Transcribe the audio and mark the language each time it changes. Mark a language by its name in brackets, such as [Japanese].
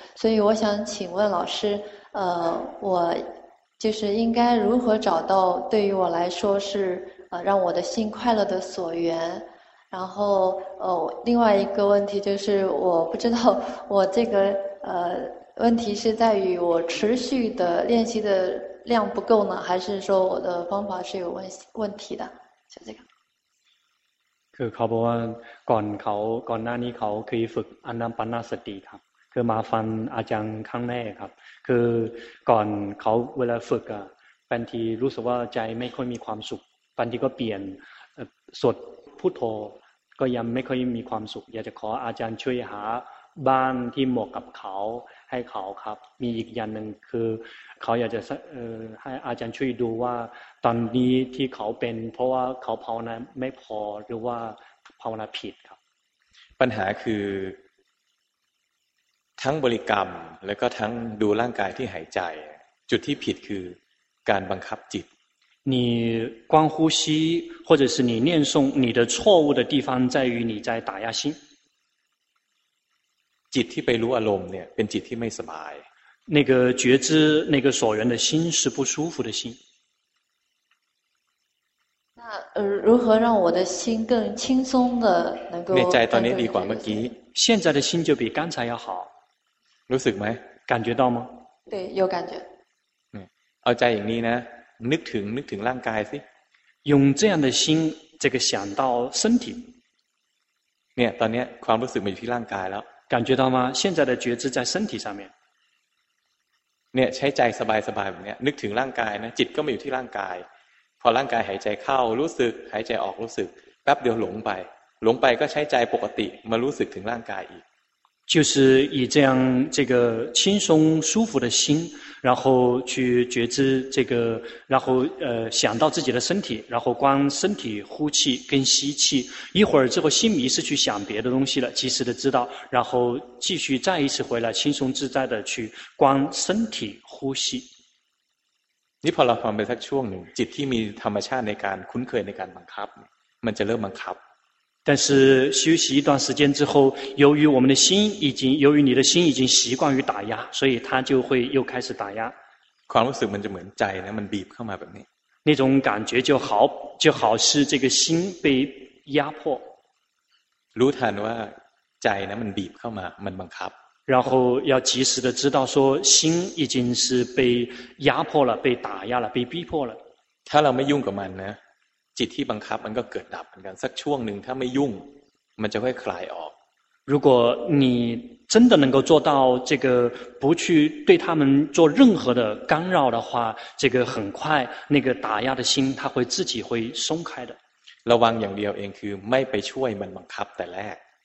[Chinese] 所以我想请问老师，我就是应该如何找到对于我来说是让我的心快乐的所缘。然后另外一个问题就是，我不知道我这个问题是在于我持续的练习的量不够呢，还是说我的方法是有问题的？就这个。 [Thai] คือเขาบอกว่าก่อนเขาก่อนหน้านี้เขาเคยฝึกอนัปปนสติครับคือมาฟังอาจารย์ข้างแรกครับคือก่อนเขาเวลาฝึกอ่ะบางทีรู้สึกว่าใจไม่ค่อยมีความสุขบางทีก็เปลี่ยน สวดพุทโธก็ยังไม่ค่อยมีความสุขอยากจะขออาจารย์ช่วยหาบ้านที่เหมาะกับเขาให้เขาครับมีอีกอย่างหนึ่งคือเขาอยากจะให้อาจารย์ช่วยดูว่าตอนนี้ที่เขาเป็นเพราะว่าเขาภาวนาไม่พอหรือว่าภาวนาผิดครับ ปัญหาคือทั้งบริกรรมแล้วก็ทั้งดูร่างกายที่หายใจจุดที่ผิดคือการบังคับจิต [Chinese] 你光呼吸或者是你念诵你的错误的地方在于你在打压心 [Thai] จิตที่ไปรู้อารมณ์เนี่ยเป็นจิตที่ไม่สบาย [Chinese] 那个觉知那个所缘的心是不舒服的心那如何让我的心更轻松的能够 [Thai] ในใจตอนนี้ดีกว่าเมื่อกี้ [Chinese] 现在的心就比刚才要好 [Thai] รู้สึกไหม [Chinese] 感觉到吗对有感觉 [Thai] เอาใจอย่างนี้นะนึกถึงร่างกายสิ [Chinese] 用这样的心这个想到身体 [Thai] เนี่ยตอนนี้ความรู้สึกมันอยู่ที่ร่างกายแล้ว [Chinese] 感觉到吗现在的觉知在身体上面 [Thai] เนี่ยใช้ใจสบายๆแบบเนี้ยนึกถึงร่างกายนะจิตก็มาอยู่ที่ร่างกายพอร่างกายหายใจเข้ารู้สึกหายใจออกรู้สึกแป๊บเดียวหลงไปก็ใช้ใจปกติมารู้สึกถึงร่างกายอีก [Chinese] 就是以这样这个轻松舒服的心然后去觉知这个然后想到自己的身体然后观身体呼气跟吸气一会儿之后心迷失去想别的东西了及时的知道然后继续再一次回来轻松自在的去观身体呼吸 [Thai] 你พอเราฟังไปสักช่วงหนึ่งจิตที่มีธรรมชาติในการคุ้นเคยในการบังคับมันจะเริ่มบังคับ [Chinese] 但是休息一段时间之后由于我们的心已经由于你的心已经习惯于打压所以它就会又开始打压 [Thai] ความรู้สึกมันจะเหมือนใจนะมันบีบเข้ามาแบบนี้ [Chinese] 那种感觉就好是这个心被压迫 [Thai] รู้ทันว่าใจนะมันบีบเข้ามามันบังคับ [Chinese] 然后要及时的知道说心已经是被压迫了被打压了被逼迫了 [Thai] ถ้าเราไม่ยุ่งกับมันนะจิตที่บังคับมันก็เกิดดับเหมือนกันสักช่วงหนึ่งถ้าไม่ยุ่งมันจะค่อยคลายออก [Chinese] 如果你真的能够做到这个不去对他们做任何的干扰的话这个很快那个打压的心它会自己会松开的 [Thai] ระวังอย่างเดียวเองคือไม่ไปช่วยมันบังคับแต่แรก